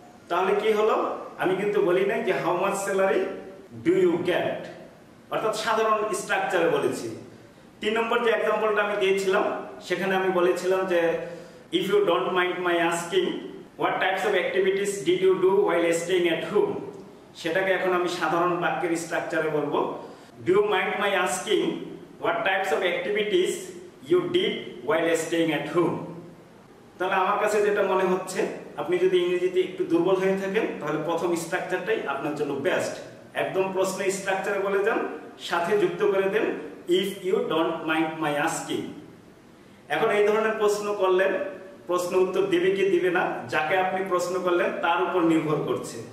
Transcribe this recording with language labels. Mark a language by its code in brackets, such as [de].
[bn] তাহলে কি হলো, আমি কিন্তু বলি নাই যে [en] how much salary do you get, [bn] অর্থাৎ সাধারণ স্ট্রাকচারে বলেছি। তিন নম্বর যে এক্সাম্পলটা আমি দিয়েছিলাম সেখানে আমি বলেছিলাম যে [en] if you don't mind my asking what types of activities did you do while staying at home, [bn] সেটাকে এখন আমি সাধারণ বাক্যের স্ট্রাকচারে বলবো। [en] Do you mind my asking what types of activities you did while staying at home? [bn] তাহলে আমার কাছে যেটা মনে হচ্ছে, আপনি যদি ইংরেজিতে একটু দুর্বল হয়ে থাকেন তাহলে প্রথম স্ট্রাকচারটাই আপনার জন্য বেস্ট। একদম প্রশ্নের স্ট্রাকচারে বলে দেন, সাথে যুক্ত করে দেন [en] If you don't mind my asking. [bn] এখন এই ধরনের প্রশ্ন করলেন প্রশ্ন উত্তর দেবে কি দিবে না যাকে আপনি প্রশ্ন করলেন তার উপর নির্ভর করছে।